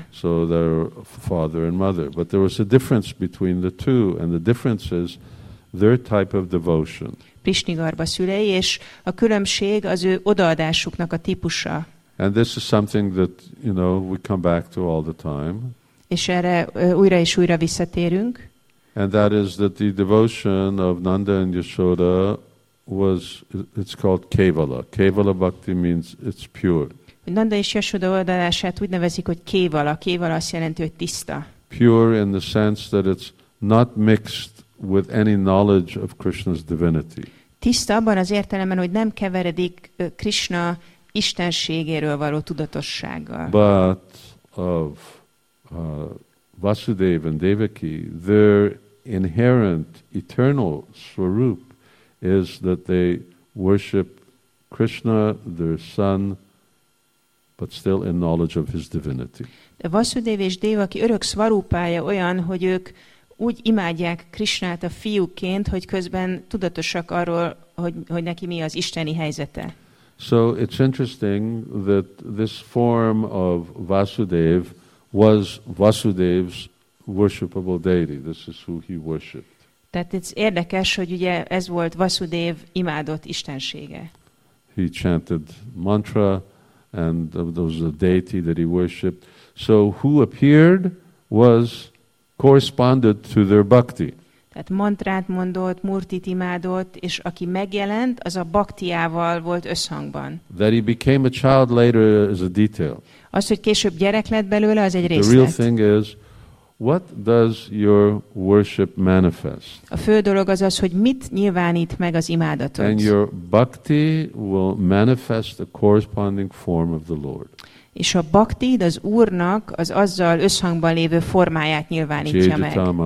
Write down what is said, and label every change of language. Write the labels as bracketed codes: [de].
[en] So their father and mother. But there was a difference between the two, and the difference is their type of devotion. [hu] Prishnigarbha szülei, és a különbség az ő odaadásuknak a típusa. [en] And this is something that, you know, we come back to all the time. [hu] És erre újra és újra visszatérünk. [en] And that is that the devotion of Nanda and Yashoda was, it's called Kevala. Kevala bhakti means it's pure. [hu] Nanda és Yashoda odaadását úgy nevezik, hogy Kevala. Kevala azt jelenti, hogy tiszta. [en] Pure in the sense that it's not mixed with any knowledge of Krishna's divinity. [hu] Tiszta abban az értelemben, hogy nem keveredik Krishna istenségéről való tudatossággal. [en] But of Vasudeva and Devaki, their inherent eternal swarup is that they worship Krishna, their son, but still in knowledge of his divinity. [hu] De Vasudeva és Devaki örök swarupája olyan, hogy ők úgy imádják Krishnát a fiúként, hogy közben tudatosak arról, hogy neki mi az isteni helyzete. [en] So it's interesting that this form of Vasudev was Vasudev's worshipable deity. This is who he worshipped. [hu] Tehát ez érdekes, hogy ugye ez volt Vasudev imádott istensége. [en] He chanted mantra and there was a deity that he worshipped. So who appeared was corresponded to their bhakti. [hu] Tehát mantrát mondott, murtit imádott, és aki megjelent, az a baktiával volt összhangban. [en] That he became a child later is a detail. [hu] Az, hogy később gyerek lett belőle, az egy részlet. [en] The real thing is, what does your worship manifest? [hu] A fő dolog az, hogy mit nyilvánít meg az imádatot. [en] And your bhakti will manifest the corresponding form of the Lord. [hu] És a bhakti, az Úrnak az azzal összhangban lévő formáját nyilvánítja meg.